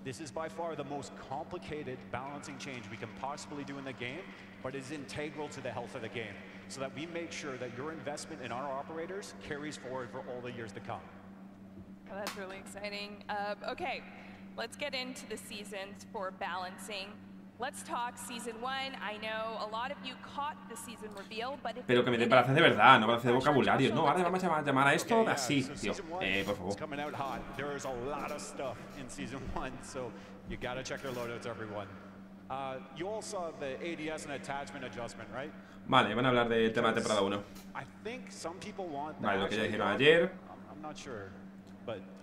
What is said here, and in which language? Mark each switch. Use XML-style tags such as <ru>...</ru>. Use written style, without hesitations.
<en>This is by far the most complicated balancing change we can possibly do in the game, but is integral to the health of the game, so that we make sure that your investment in our operators carries forward for all the years to come. Oh, that's really exciting. Okay, let's get into the seasons for balancing. Let's talk season 1. I know a lot of you caught the season reveal, but</en> <es>pero que me den palabras de verdad, no palabras de vocabulario. No, ahora vamos a llamar a esto así, tío. Por favor.</es> <en>Coming out hot. There is a lot of stuff in season 1, so you gotta check your loadouts, everyone. You all saw the ADS and attachment adjustment, right?</en> <es>Vale, van a hablar del tema de temporada 1.</es> <en>I think some people want</en> <es>vale, lo que ya dijeron ayer.</es> <en>I'm not sure, but</en>